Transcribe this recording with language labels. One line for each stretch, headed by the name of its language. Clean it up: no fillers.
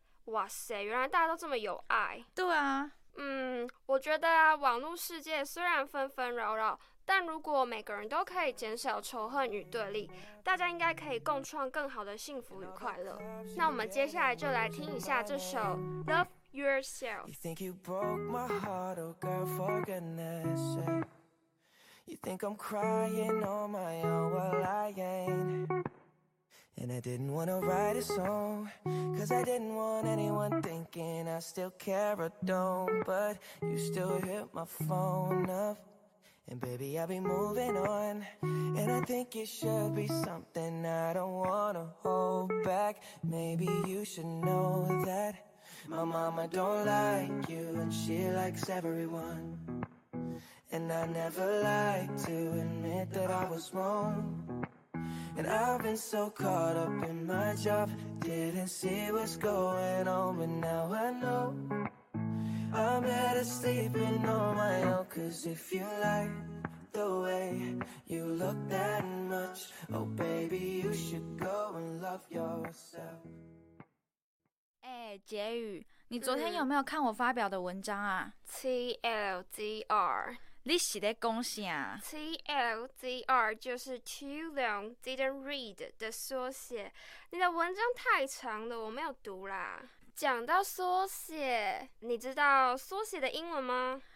Chinese: 哇塞，原来大家都这么有爱。对啊。我觉得啊，网络世界虽然纷纷扰扰，但如果每个人都可以减少仇恨与对立，大家应该可以共创更好的幸福与快乐。那我们接下来就来听一下这首 Love Yourself。
English: You think you broke my heart, oh girl, for goodness sake. You think I'm crying on my own, well I ain't. And I didn't wanna write a song, cause I didn't want anyone thinking I still care or don't. But you still hit my phone up. And baby, I'll be moving on. And I think it should be something I don't wanna hold back. Maybe you should know that my mama don't like you, and she likes everyone. And I never like to admit that I was wrong. And I've been so caught up in my job, didn't see what's going on, but now I know. I'm better sleeping on my own, cause if you like the way you look that much, oh baby, you should go and love yourself.
Chinese: 欸，婕妤，你昨天有没有看我发表的文章啊？
English: TLDR。
Chinese: 你是在说什么？ TLDR 就是
English: Too Long Didn't Read
Chinese: 的缩写。你的文章太长了，我没有读啦。讲到缩写，你知道缩写的英文吗？